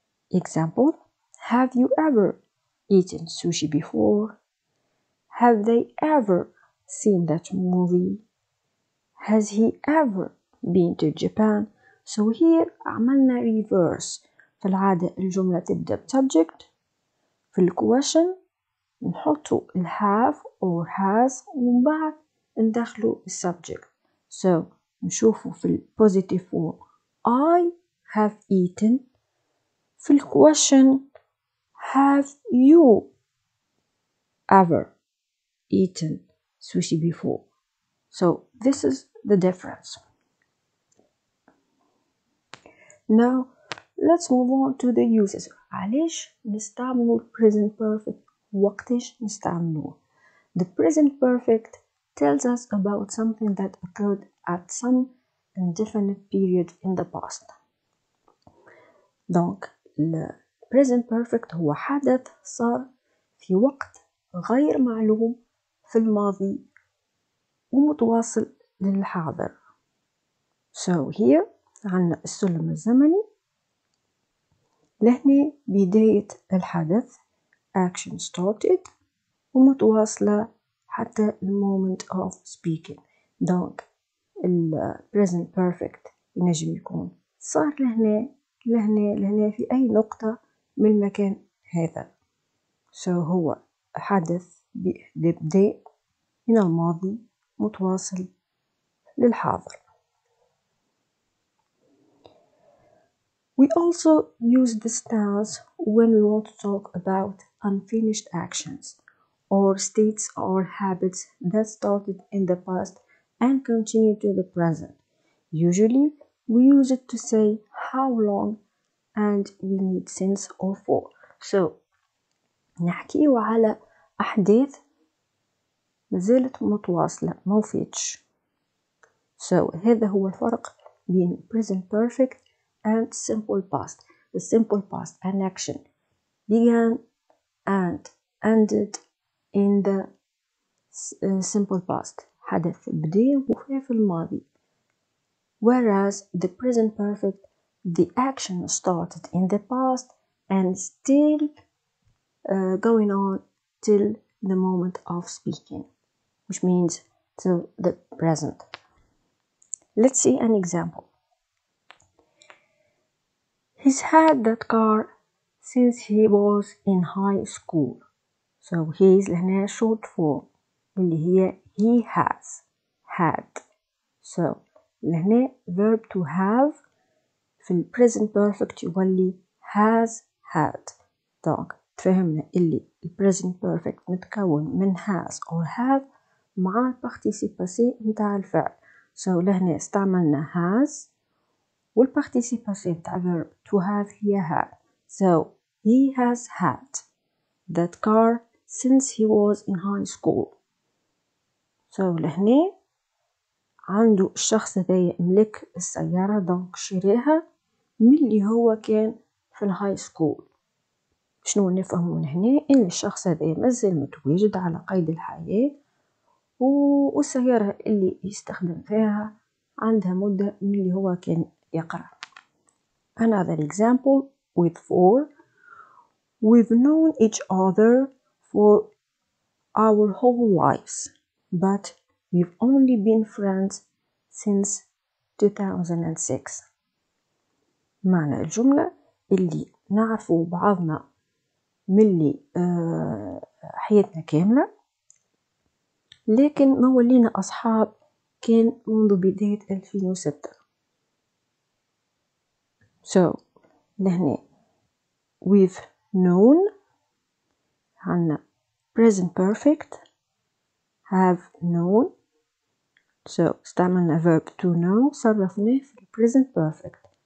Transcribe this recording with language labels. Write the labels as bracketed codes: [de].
[en] Example, have you ever eaten sushi before? Have they ever seen that movie? Has he ever been to Japan? So here, [ar] عملنا [en] reverse. [ar] في العادة الجملة تبدأ بسبجكت. في الكويشن نحطو الهاف [en] or has [ar] ومن بعد ندخلو السبجكت. [en] So [ar] نشوفو في البوزيتيف [en] form I have eaten. [ar] في الكويشن [en] have you ever eaten sushi before? So this is the difference. Now let's move on to the uses. [ar] علاش نستعملو present perfect؟ وقتاش نستعملو؟ [en] The present perfect tells us about something that occurred at some indefinite period in the past. [ar] Donc, le present perfect هو حدث صار في وقت غير معلوم في الماضي ومتواصل للحاضر. [en] So here, [ar] عنا السلم الزمني. لهنا بداية الحدث, [en] action started, [ar] ومتواصلة حتى [en] the moment of speaking. [ar] Donc, الـ present perfect ينجم يكون صار لهنا لهنا لهنا في أي نقطة من مكان هذا. So هو حدث بيبدأ من الماضي متواصل للحاضر. [en] We also use this tense when we want to talk about unfinished actions or states or habits that started in the past and continue to the present. Usually, we use it to say how long and we need since or for. [ar] So, نحكيه على أحداث مازالت متواصلة موفيتش. [en] So, [ar] هذا هو الفرق بين [en] present perfect and simple past. The simple past, an action began and ended in the simple past. [ar] حدث بدأ وفي الماضي. [en] Whereas the present perfect, the action started in the past and still going on till the moment of speaking, which means till the present. Let's see an example. He's had that car since he was in high school. So he's in a short form. [ar] اللي هي [en] he has had. So لهنا verb to have في present perfect يولي has had. [ar] دونك تفهمنا اللي present perfect متكون من [en] has or have [ar] مع participasi متاع الفعل. [en] So [ar] لهنا استعملنا [en] has [ar] والparticipasi متاع [en] verb to have هي had. So he has had that car since he was in high school. [ar] So لهنا عنده الشخص ذا يملك السيارة دونك شريها من اللي هو كان في الهاي سكول. شنو نفهم من هنا؟ إن الشخص ذا مازال متواجد على قيد الحياة والسيارة اللي يستخدم فيها عندها مدة من اللي هو كان يقرأ. [en] Another example with four. We've known each other for our whole lives, but we've only been friends since 2006. [ar] معنى الجملة اللي نعرفوا بعضنا ملي حياتنا كاملة لكن ما ولينا أصحاب كان منذ بداية 2006. [en] So لهنا we've known [ar] عنا [en] present perfect have known. So [ar] استعملنا [en] verb to know [ar] صرفناه في [en] present perfect.